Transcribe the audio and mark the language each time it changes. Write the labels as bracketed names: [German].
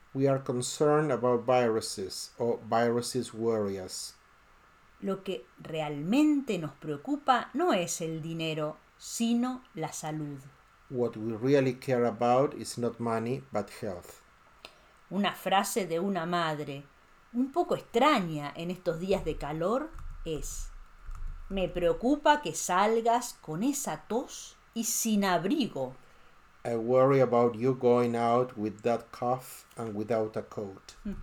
[English] We are concerned about viruses, or viruses worry us. [Spanish] Lo que realmente nos preocupa no es el dinero, sino la salud. [English] What we really care about is not money, but health. [Spanish] Una frase de una madre, un poco extraña en estos días de calor, es: me preocupa que salgas con esa tos y sin abrigo. [English] I worry about you going out with that cough and without a coat.